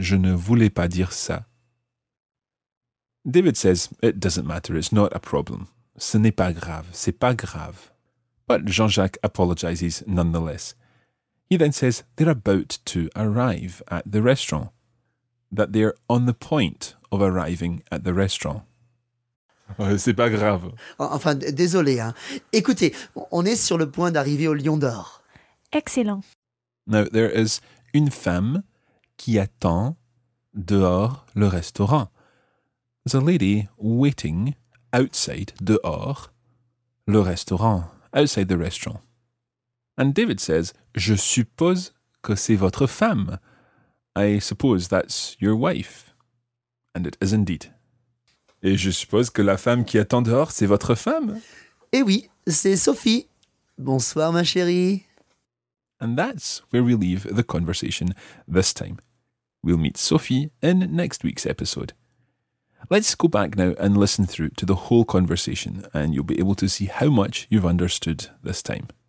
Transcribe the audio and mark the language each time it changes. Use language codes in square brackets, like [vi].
[fr] Je ne voulais pas dire ça. [en] David says, it doesn't matter. It's not a problem. [fr] Ce n'est pas grave. C'est pas grave. [en] But Jean-Jacques apologizes nonetheless. He then says, they're about to arrive at the restaurant. That they're on the point of arriving at the restaurant. [fr] C'est pas grave. Enfin, désolé. Hein. Écoutez, on est sur le point d'arriver au Lion d'Or. Excellent. [en] Now, there is [fr] une femme qui attend dehors le restaurant. [en] There's a lady waiting outside, [fr] dehors, le restaurant, [en] outside the restaurant. And David says, [fr] je suppose que c'est votre femme. [en] I suppose that's your wife. And it is indeed. [fr] Et je suppose que la femme qui attend dehors, c'est votre femme. Eh oui, c'est Sophie. Bonsoir, ma chérie. [en] And that's where we leave the conversation this time. We'll meet Sophie in next week's episode. Let's go back now and listen through to the whole conversation, and you'll be able to see how much you've understood this time.